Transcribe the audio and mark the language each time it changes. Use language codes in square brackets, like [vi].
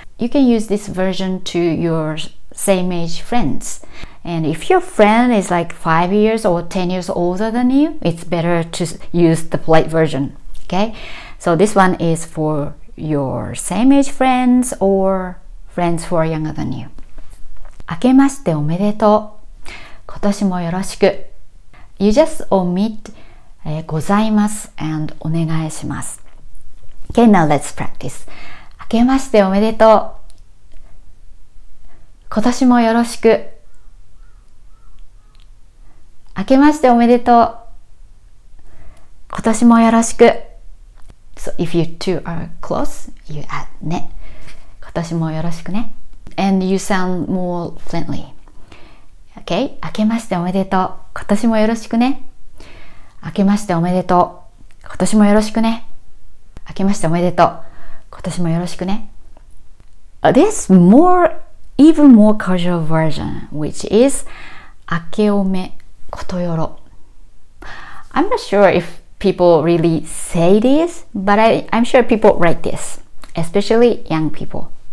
[en] You can use this version to your same age friends. And if your friend is like 5 years or 10 years older than you, it's better to use the polite version. Okay? So this one is for your same age friends or friends who are younger than you. [ja] 明けましておめでとう。今年もよろしく。 [en] You just omit、 [ja] ございます and お願いします。 [en] Okay, now let's practice. [ja] 明けましておめでとう。今年もよろしく。明けましておめでとう。今年もよろしく。 [en] So if you two are close, you add ね。 [ja] 今年もよろしくね。 [en] And you sound more friendly. Okay? [ja] 明けましておめでとう。今年もよろしくね。明けましておめでとう。今年もよろしくね。明けましておめでとう。今年もよろしくね。 [en] This more, even more casual version, which is 明けおめことよろ。 I'm not sure if people really say this, but I'm sure people write this, especially young people.